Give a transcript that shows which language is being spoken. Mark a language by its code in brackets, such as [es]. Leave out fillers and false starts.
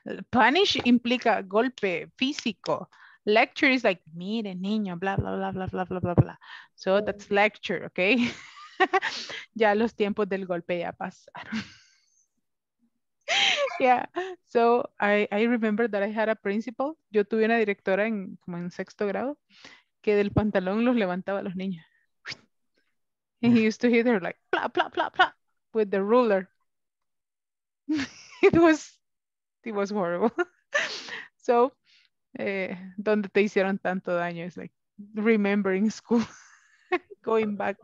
[es] Punish implica golpe físico. [en] Lecture is like, [es] mire, niño, bla, bla, bla, bla, bla, bla, bla, bla. [en] So that's lecture, okay? [es] Ya los tiempos del golpe ya pasaron. [en] Yeah, so I remember that I had a principal. [es] Yo tuve una directora en como en sexto grado que del pantalón los levantaba a los niños. [en] And he used to hit her like, bla, bla, bla, bla, with the ruler. It was horrible. So, [es] donde te hicieron tanto daño, [en] it's like remembering school, going back.